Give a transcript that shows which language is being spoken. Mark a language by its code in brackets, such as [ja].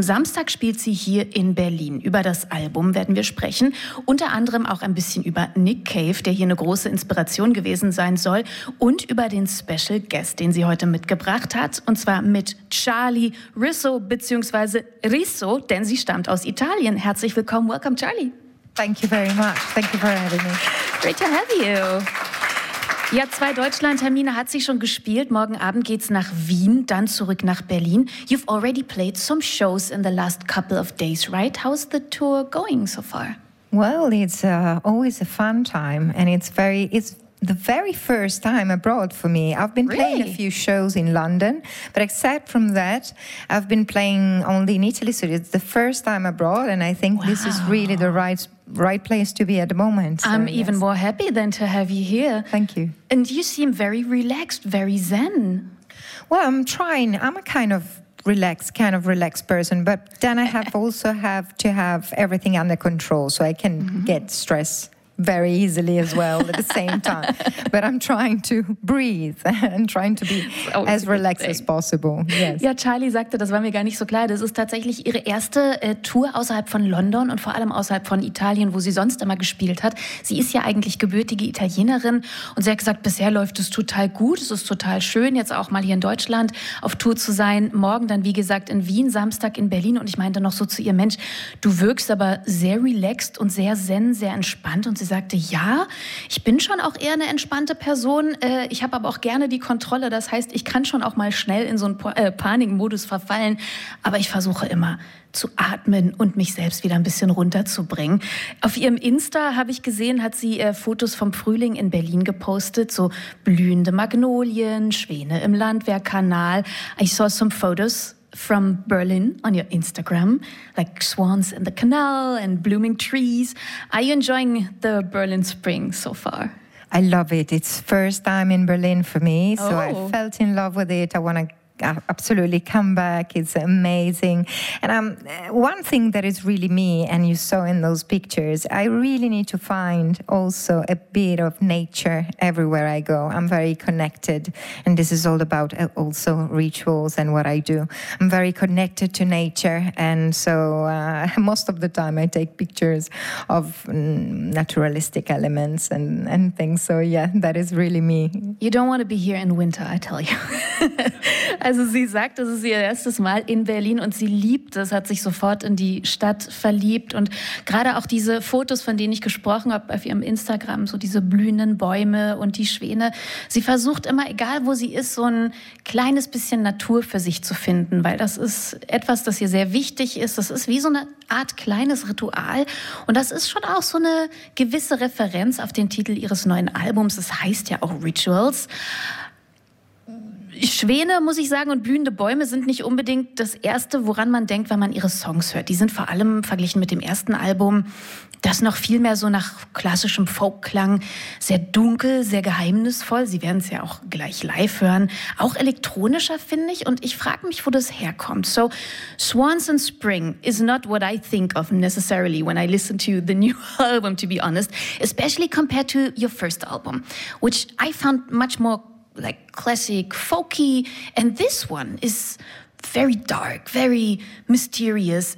[de] Am Samstag spielt sie hier in Berlin. Über das Album werden wir sprechen, unter anderem auch ein bisschen über Nick Cave, der hier eine große Inspiration gewesen sein soll, und über den Special Guest, den sie heute mitgebracht hat, und zwar mit Charlie Risso, beziehungsweise Risso, denn sie stammt aus Italien. Herzlich willkommen, welcome Charlie. [en] Thank you very much, thank you for having me. Great to have you. [de] Ja, zwei Deutschland-Termine hat sie schon gespielt. Morgen Abend geht's nach Wien, dann zurück nach Berlin. [en] You've already played some shows in the last couple of days, right? How's the tour going so far? Well, it's always a fun time, and it's the very first time abroad for me. I've been playing a few shows in London, but except from that, I've been playing only in Italy, so it's the first time abroad, and I think this is really the right place to be at the moment. So, I'm even more happy than to have you here. Thank you. And you seem very relaxed, very zen. Well, I'm trying. I'm a kind of relaxed person, but then I have also have to have everything under control so I can get stress very easily as well at the same time. But I'm trying to breathe and trying to be as relaxed as possible. Yes. [de] Ja, Charlie sagte, das war mir gar nicht so klar, das ist tatsächlich ihre erste Tour außerhalb von London und vor allem außerhalb von Italien, wo sie sonst immer gespielt hat. Sie ist ja eigentlich gebürtige Italienerin und sie hat gesagt, bisher läuft es total gut, es ist total schön, jetzt auch mal hier in Deutschland auf Tour zu sein. Morgen dann, wie gesagt, in Wien, Samstag in Berlin, und ich meinte noch so zu ihr, Mensch, du wirkst aber sehr relaxed und sehr zen, sehr entspannt. Und sie sagte, ja, ich bin schon auch eher eine entspannte Person. Ich habe aber auch gerne die Kontrolle. Das heißt, ich kann schon auch mal schnell in so einen Panikmodus verfallen. Aber ich versuche immer zu atmen und mich selbst wieder ein bisschen runterzubringen. Auf ihrem Insta habe ich gesehen, hat sie Fotos vom Frühling in Berlin gepostet. So blühende Magnolien, Schwäne im Landwehrkanal. [en] I saw some photos from Berlin on your Instagram, like swans in the canal and blooming trees. Are you enjoying the Berlin spring so far? I love it. It's first time in Berlin for me, so I felt in love with it. I want to absolutely come back. It's amazing. And one thing that is really me, and you saw in those pictures, I really need to find also a bit of nature everywhere I go. I'm very connected, and this is all about also rituals and what I do. I'm very connected to nature, and so most of the time I take pictures of naturalistic elements and things. So yeah, that is really me. You don't want to be here in winter, I tell you. [de] Also sie sagt, das ist ihr erstes Mal in Berlin und sie liebt es, hat sich sofort in die Stadt verliebt. Und gerade auch diese Fotos, von denen ich gesprochen habe auf ihrem Instagram, so diese blühenden Bäume und die Schwäne. Sie versucht immer, egal wo sie ist, so ein kleines bisschen Natur für sich zu finden, weil das ist etwas, das ihr sehr wichtig ist. Das ist wie so eine Art kleines Ritual. Und das ist schon auch so eine gewisse Referenz auf den Titel ihres neuen Albums. Das heißt ja auch Rituals. Schwäne, muss ich sagen, und blühende Bäume sind nicht unbedingt das Erste, woran man denkt, wenn man ihre Songs hört. Die sind vor allem verglichen mit dem ersten Album, das noch viel mehr so nach klassischem Folkklang, sehr dunkel, sehr geheimnisvoll. Sie werden es ja auch gleich live hören. Auch elektronischer, finde ich. Und ich frage mich, wo das herkommt. [en] So, Swans in Spring is not what I think of necessarily when I listen to the new album, to be honest. Especially compared to your first album, which I found much more like classic folky, and this one is very dark, very mysterious.